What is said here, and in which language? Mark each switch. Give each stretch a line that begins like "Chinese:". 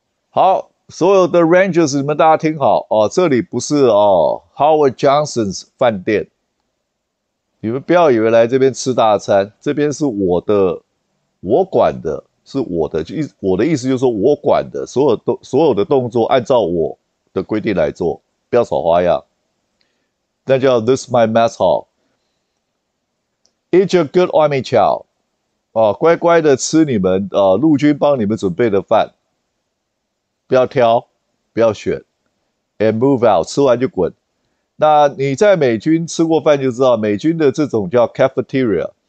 Chinese: 好，所有的 Rangers，你们大家听好哦，这里不是哦 Howard Johnson's 饭店。你们不要以为来这边吃大餐，这边是我的，我管的，是我的，就意我的意思就是说我管的，所有的动作按照我的规定来做，不要耍花样。那叫
English: This is my mess hall. Eat your good army chow，
Chinese: 哦，乖乖的吃你们陆军帮你们准备的饭，不要挑，不要选，
English: and move out，
Chinese: 吃完就滚。那你在美军吃过饭就知道，美军的这种叫 cafeteria。